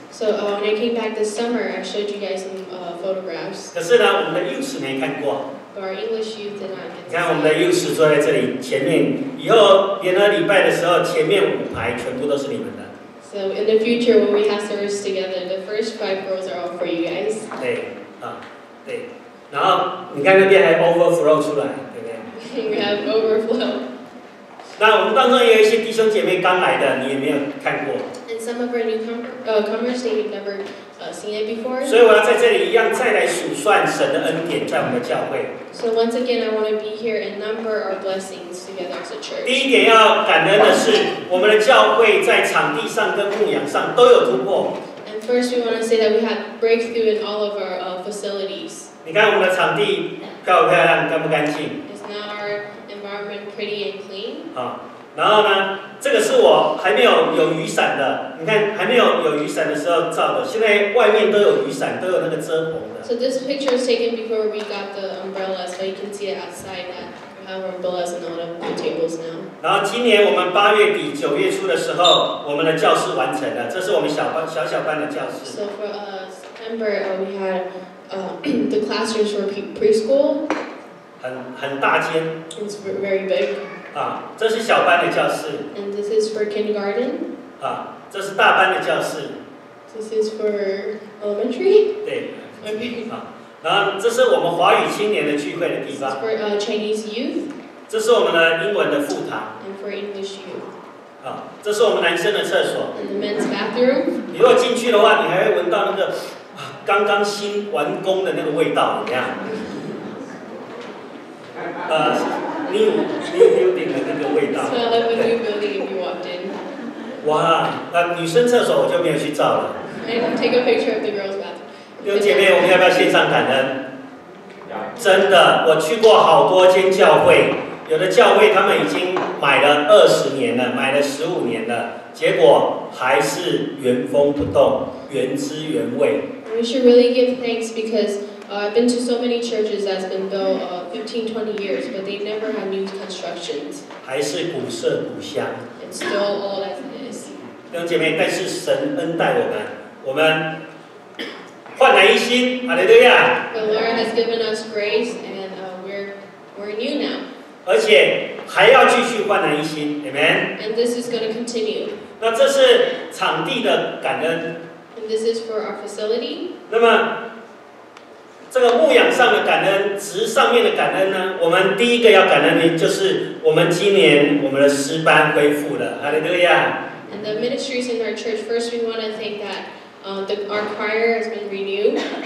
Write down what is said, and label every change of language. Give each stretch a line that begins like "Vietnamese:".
English: So when I came back this summer, I showed you guys some photographs.
Chinese: 可是呢，我们的幼师没看过。你看我们的幼师坐在这里前面，以后联合礼拜的时候，前面五排全部都是你们的。
English: So in the future when we have service together, the first five rows are all for you guys.
Chinese: 对，对。然后你看那边还 overflow 出来，对不对？
English: We have overflow.
Chinese: 那我们当中也有一些弟兄姐妹刚来的，你也没有看过。
English: And some of our newcomers they have never seen it before.
Chinese: 所以我要在这里一样再来数算神的恩典在我们的教会。
English: So once again, I want to be here and number our blessings together as a church.
Chinese: 第一点要感恩的是，我们的教会在场地上跟牧养上都有突破。
English: And first, we want to say that we have breakthrough in all of our facilities.
Chinese: 你看我们的场地漂不漂亮，干不干净
English: ？Is now our environment pretty and clean?
Chinese: 然后呢？这个是我还没有雨伞的，你看还没有雨伞的时候照的，现在外面都有雨伞，都有那个遮棚的。
English: So this picture is taken before we got the umbrellas, so you can see it outside that we have umbrellas and all the tables now.
Chinese: 然后今年我们八月底九月初的时候，我们的教室完成了，这是我们小班的教室。
English: So for September, we had the classrooms for preschool.
Chinese: 很大间。
English: It's very big.
Chinese: 这是小班的教室。
English: And this is for kindergarten.
Chinese: 这是大班的教室。
English: This is for elementary.
Chinese: 对。
English: Okay.
Chinese: 然后这是我们华语青年的聚会的地方。
English: This is for Chinese youth.
Chinese: 这是我们的英文的副堂。
English: And for English youth.
Chinese: 这是我们男生的厕所。
English: And the men's bathroom.
Chinese: 你如果进去的话，你还会闻到那个刚刚新完工的那个味道，怎么样？
English: New building
Chinese: 的那个味道。
English: Smell like the new building if you walked in.
Chinese: 哇，那女生厕所我就没有去照了。
English: I didn't take a picture of the girls' bathroom.
Chinese: 有姐妹，我们要不要线上感恩？真的，我去过好多间教会，有的教会他们已经买了20年了，买了15年了，结果还是原封不动，原汁原味。
English: We should really give thanks because. I've been to so many churches that's been built 15-20 years, but they never had new constructions.
Chinese: 还是古色古香。
English: It's still all as it is.
Chinese: 弟兄姐妹，但是神恩待我们，我们焕然一新，哈利路亚。
English: The Lord has given us grace, and we're new now.
Chinese: 而且还要继续焕然一新 ，Amen.
English: And this is going to continue.
Chinese: 那这是场地的感恩。
English: And this is for our facility.
Chinese: 那么。这个牧养上的感恩，职上面的感恩呢？我们第一个要感恩的，就是我们今年我们的诗班恢复了，哈利路亚。
English: And the ministries in our church, first we want to thank that our choir has been renewed.